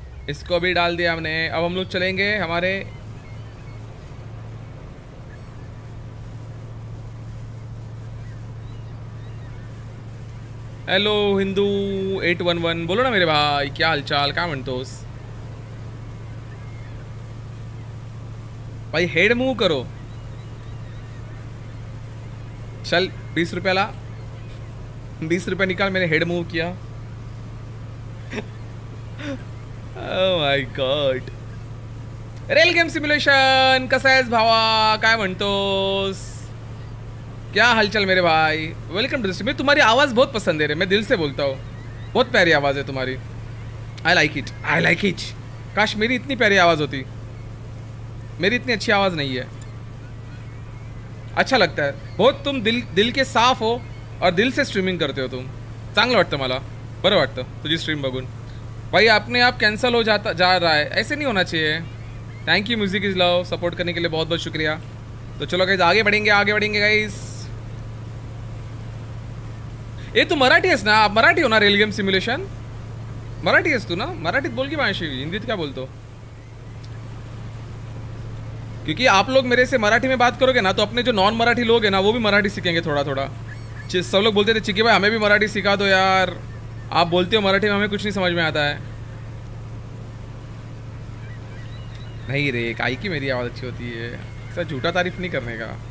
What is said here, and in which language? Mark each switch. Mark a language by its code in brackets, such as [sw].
[hi] इसको भी डाल दिया हमने। अब हम लोग चलेंगे हमारे हेलो हिंदू 811 बोलो ना मेरे भाई, क्या हालचाल क्या मंतोस भाई, हेड मूव करो। चल 20 रुपया ला, 20 रुपया निकाल, मैंने हेड मूव किया। [en] oh my God, [mr] rail game simulation कसा आहेस भावा, काय म्हणतोस, [hi] क्या हालचाल मेरे भाई, [en] Welcome to stream. [hi] तुम्हारी आवाज बहुत पसंद है रे, मैं दिल से बोलता हूँ, बहुत प्यारी आवाज है तुम्हारी। [en] I like it [hi] काश मेरी इतनी प्यारी आवाज होती, मेरी इतनी अच्छी आवाज नहीं है, अच्छा लगता है बहुत। तुम दिल के साफ हो और दिल से स्ट्रीमिंग करते हो, [mr] तुम चांगलं वाटतं मला, बरं वाटतं तुझी स्ट्रीम बघून। [hi] भाई अपने आप कैंसल हो जाता जा रहा है, ऐसे नहीं होना चाहिए। Thank you music is love support करने के लिए, बहुत बहुत शुक्रिया। तो चलो गाइस आगे बढ़ेंगे, आगे बढ़ेंगे गाइस। ये तू मराठी है ना, मराठी हो ना, रेल गेम सिम्युलेशन मराठी है तू ना, [mr] मराठीत बोल की भाषा, हिंदीत क्या बोलतो? [hi] क्योंकि आप लोग मेरे से मराठी में बात करोगे ना तो अपने जो नॉन मराठी लोग हैं ना वो भी मराठी सीखेंगे थोड़ा थोड़ा। सब लोग बोलते थे चिक्की भाई हमें भी मराठी सिखा दो यार, आप बोलते हो मराठी में हमें कुछ नहीं समझ में आता है। नहीं रे काई की मेरी आवाज़ अच्छी होती है, सर झूठा तारीफ नहीं करने का।